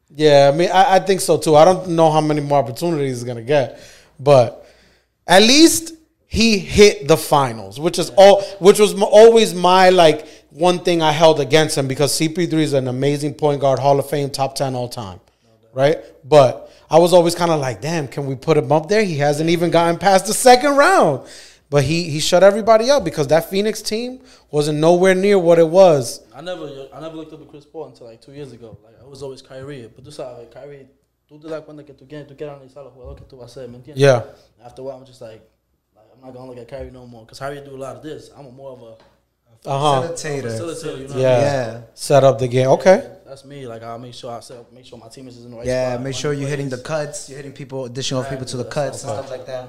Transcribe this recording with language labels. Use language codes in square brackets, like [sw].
[en] Yeah, I mean, I think so, too. I don't know how many more opportunities he's going to get, but at least he hit the finals, which was always my one thing I held against him, because CP3 is an amazing point guard, Hall of Fame, top 10 all time, right? But I was always kind of like, damn, can we put him up there? He hasn't even gotten past the second round. But he shut everybody up, because that Phoenix team wasn't nowhere near what it was. I never looked up at Chris Paul until like 2 years ago. Like, I was always Kyrie. But this is like, [es] Kyrie, tú te das cuenta que tú quieres, tú quieres analizar los jugadores que tú vas a hacer, ¿me entiendes? [en] Yeah. After a while, I'm just like, I'm not going to look at Kyrie no more, because Kyrie do a lot of this. I'm more of a... Facilitator. Set up the game. Okay. That's me. Like, I'll make sure I make sure my team is in the right spot. Yeah, make sure you're hitting the cuts. You're hitting people, dishing off people to the cuts and stuff like that.